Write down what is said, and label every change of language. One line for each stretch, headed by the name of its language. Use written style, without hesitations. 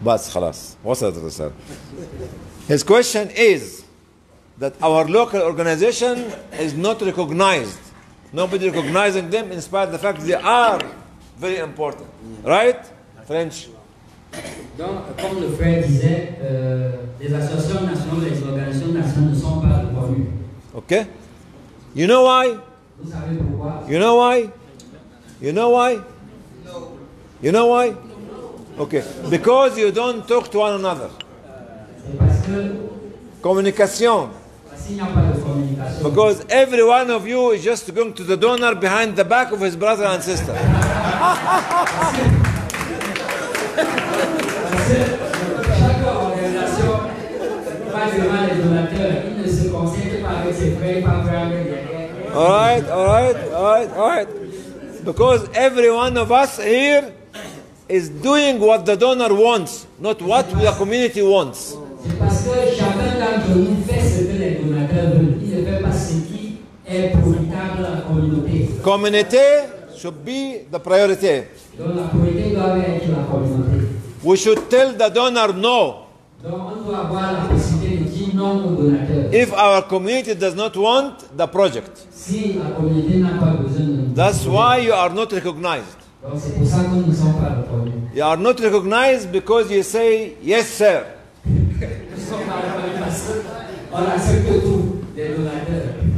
English: His question is that our local organization is not recognized. Nobody recognizing them in spite of the fact they are very important. Right? French.
French: Comme le frère disait, les associations nationales, les organisations nationales ne sont pas reconnues.
English: Okay? You know why?
French: Vous savez pourquoi?
English: You know why? You know why? No. You know why? No. Okay. Because you don't talk to one another.
French: Parce que communication. S'il n'y a pas de communication.
English: Because every one of you is just going to the donor behind the back of his brother and sister.
French: Parce que chaque organisation, pas seulement les donateurs, ils ne se concentrent pas avec ses frères, pas vraiment derrière.
English: All right. Because every one of us here is doing what the donor wants, not what the community wants.
French: Parce que chacun d'entre nous fait ce que les donateurs veulent. Il ne fait pas ce qui est profitable à la communauté.
English: Communauté should be the priority.
French: Donc la priorité doit être la communauté.
English: We should tell the donor no.
French: Donc on doit avoir la possibilité de dire non au donateur.
English: If our community does not want the project.
French: Si la communauté n'a pas besoin de.
English: That's why you are not recognized.
French: Donc c'est pour ça que nous ne sommes pas reconnus.
English: You are not recognized because you say yes sir.
French: Nous sommes pas reconnus parce qu'on accepte tout des donateurs.